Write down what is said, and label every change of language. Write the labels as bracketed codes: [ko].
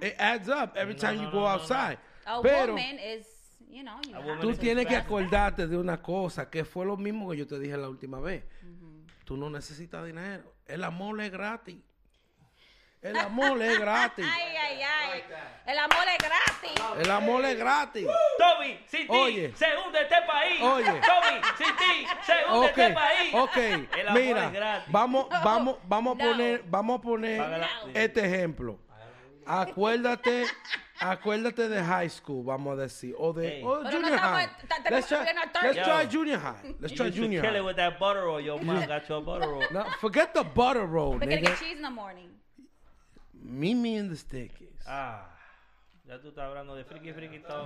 [en] It adds up every time you go outside. A woman is, you know. [es] Tú tienes que acordarte de una cosa que fue lo mismo que yo te dije la última vez. Mm-hmm. Tú no necesitas dinero. El amor es gratis. El amor es gratis. Ay, ay, ay. El amor es gratis. El amor es gratis. Toby, sin ti, se hunde este país. Oye. Toby, sin ti, se hunde este país. Ok. El amor mira, es gratis. Vamos a poner este ejemplo. Acuérdate de high school, vamos a decir. O de [en] junior high. Let's try junior high. You should kill it with that butter roll. Your mom got your butter roll. Now, forget the butter roll, nigga. We're going to get cheese in the morning. Meet me in the stickies. [es] Ah, ya tú estás hablando de friki friki todo.